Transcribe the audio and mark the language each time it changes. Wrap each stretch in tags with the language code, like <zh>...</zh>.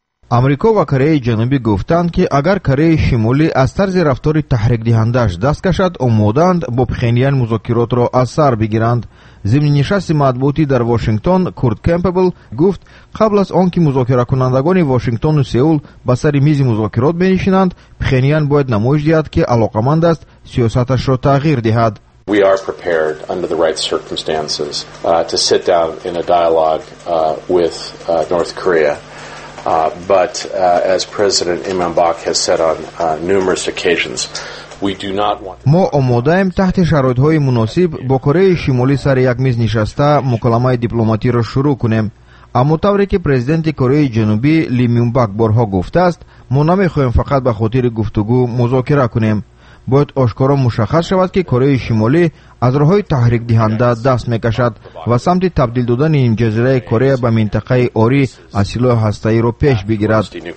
<fa>امریکا و کره جنوبی گفتند که اگر کره شمالی از طرز رفتار تحریک دهندهش دست کشد، آمادند با پخینیان مذاکرات را از سر بگیرند. ضمن نشست مطبوعاتی در واشنگتن، کورت کمپبل گفت قبل از آنکه مذاکره کنندگان واشنگتن و سئول به سر میز مذاکرات بنشینند، پخینیان باید نمایش دهد که علاقمند است سیاستش را تغییر دهد.</fa> <en>We are prepared under the right circumstances to sit down in a dialogue with North Korea. But as President Imam Bak has said on numerous occasions, we do not want</en> <fa>ما آماده‌ایم تحت شرایط‌های مناسب با کره شمالی سر یک میز نشسته مکالمه دیپلماتیک را شروع کنیم. اما طوری که پرزیدنت کره جنوبی لی میون باک بارها گفته است، ما نمی‌خواهیم فقط به خاطر گفتگو مذاکره کنیم. باید آشکارا مشخص شود که کره شمالی از راه‌های تحریک دهنده دست می‌کشد و سمت تبدیل دادن این جزیره کره به منطقه آری از سلاح هسته‌ای را پیش بگیرد.</fa>